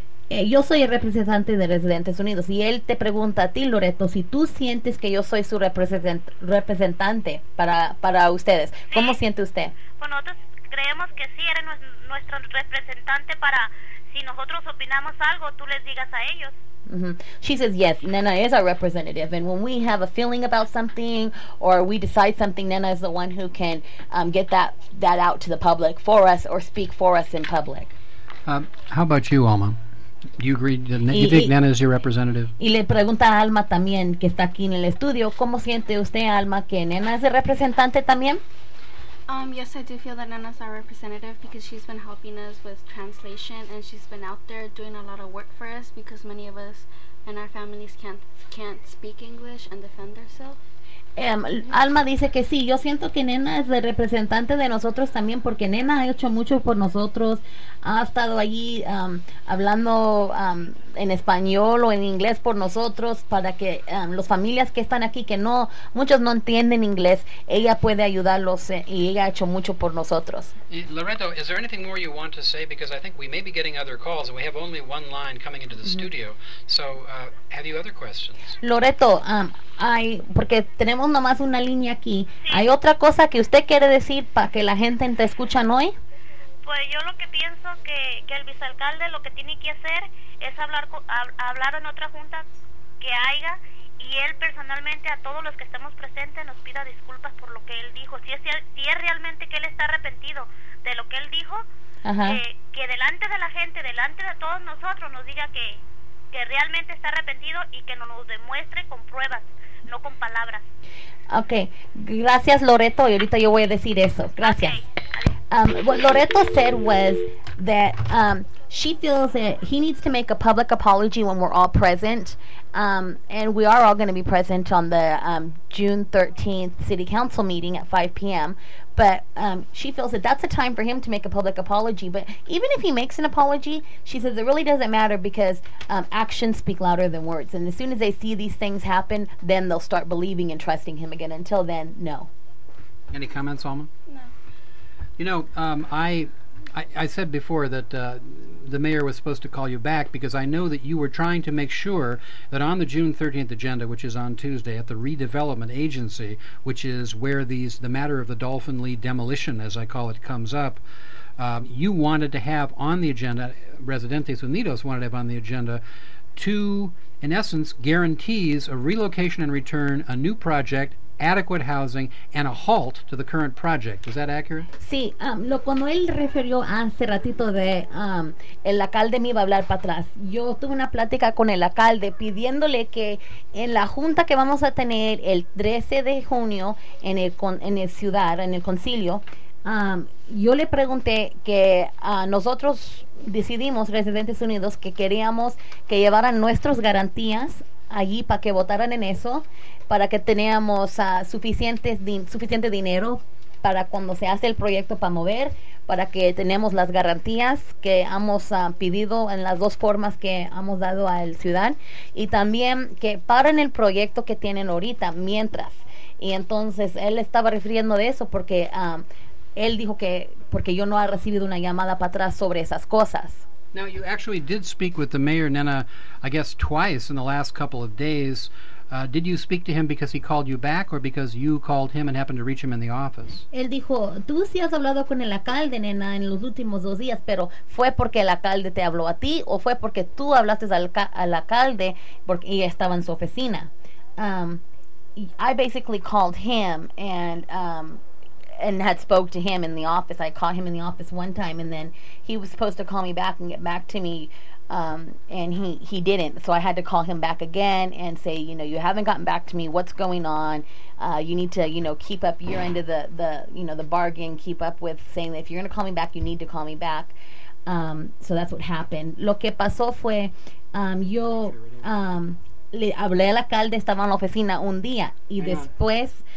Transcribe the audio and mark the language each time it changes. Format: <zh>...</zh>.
<es>Yo soy el representante de Residentes Unidos y él te pregunta a ti, Loreto, si tú sientes que yo soy su representante para ustedes. Sí. ¿Cómo siente usted? Bueno, nosotros creemos que sí, eres nuestro representante para si nosotros opinamos algo, tú les digas a ellos. Mm-hmm.</es> <en>She says, yes, Nena is our representative, and when we have a feeling about something or we decide something, Nena is the one who can get that out to the public for us or speak for us in public. How about you, Alma? Do you agree that you think Nena is your representative?</en> <es>Y le pregunta a Alma también, que está aquí en el estudio, ¿cómo siente usted, Alma, que Nena es el representante también?</es> <en>Yes, I do feel that Nena's our representative because she's been helping us with translation and she's been out there doing a lot of work for us because many of us and our families can't speak English and defend ourselves.</en> <es>Alma dice que sí, yo siento que Nena es el representante de nosotros también porque Nena ha hecho mucho por nosotros, ha estado allí hablando en español o en inglés por nosotros para que las familias que están aquí, que no, muchos no entienden inglés, ella puede ayudarlos y ella ha hecho mucho por nosotros.</es> <en>Loreto, is there anything more you want to say? Because I think we may be getting other calls and we have only one line coming into the studio, so have you other questions?</en> <es>Loreto, porque tenemos nomás una línea aquí, ¿hay otra cosa que usted quiere decir para que la gente te escuche hoy? Pues yo lo que pienso que el vicealcalde lo que tiene que hacer es hablar en otra junta que haya y él personalmente a todos los que estemos presentes nos pida disculpas por lo que él dijo. Si es realmente que él está arrepentido de lo que él dijo, que delante de la gente, delante de todos nosotros nos diga que realmente está arrepentido y que nos lo demuestre con pruebas, no con palabras. Okay, gracias Loreto, y ahorita yo voy a decir eso. Gracias.</es> <en>What Loreto said was that she feels that he needs to make a public apology when we're all present, and we are all going to be present on the June 13th City Council meeting at 5 p.m., but she feels that that's a time for him to make a public apology. But even if he makes an apology, she says it really doesn't matter because actions speak louder than words, and as soon as they see these things happen, then they'll start believing and trusting him again. Until then, no. Any comments, Alma? No. You know, I said before that the mayor was supposed to call you back because I know that you were trying to make sure that on the June 13th agenda, which is on Tuesday at the Redevelopment Agency, which is where the matter of the Dolphin Lee demolition, as I call it, comes up, you wanted to have on the agenda, Residentes Unidos wanted to have on the agenda, two, in essence, guarantees of relocation and return, a new project, adequate housing and a halt to the current project. Is that accurate?</en> <es>Sí, cuando él refirió hace ratito de el alcalde me iba a hablar para atrás, yo tuve una plática con el alcalde pidiéndole que en la junta que vamos a tener el 13 de junio en el concilio, yo le pregunté que nosotros decidimos, Residentes Unidos, que queríamos que llevaran nuestras garantías allí para que votaran en eso, para que teníamos suficiente dinero para cuando se hace el proyecto para mover, para que tenemos las garantías que hemos pedido en las dos formas que hemos dado al ciudad, y también que paren el proyecto que tienen ahorita, mientras. Y entonces él estaba refiriendo de eso porque él dijo que porque yo no he recibido una llamada para atrás sobre esas cosas.</es> <en>Now, you actually did speak with the mayor, Nena, I guess twice in the last couple of days. Did you speak to him because he called you back or because you called him and happened to reach him in the office?</en> <es>Él dijo, tú sí has hablado con el alcalde, Nena, en los últimos dos días, pero ¿fue porque el alcalde te habló a ti o fue porque tú hablaste al alcalde porque y estaba en su oficina?</es> <en>I basically called him and had spoke to him in the office. I caught him in the office one time, and then he was supposed to call me back and get back to me, and he didn't. So I had to call him back again and say, you know, you haven't gotten back to me. What's going on? You need to, you know, keep up your end of the bargain, keep up with saying that if you're going to call me back, you need to call me back. So that's what happened.</en> <es>Lo que pasó fue, yo le hablé al alcalde, estaba en la oficina un día, y después...</es>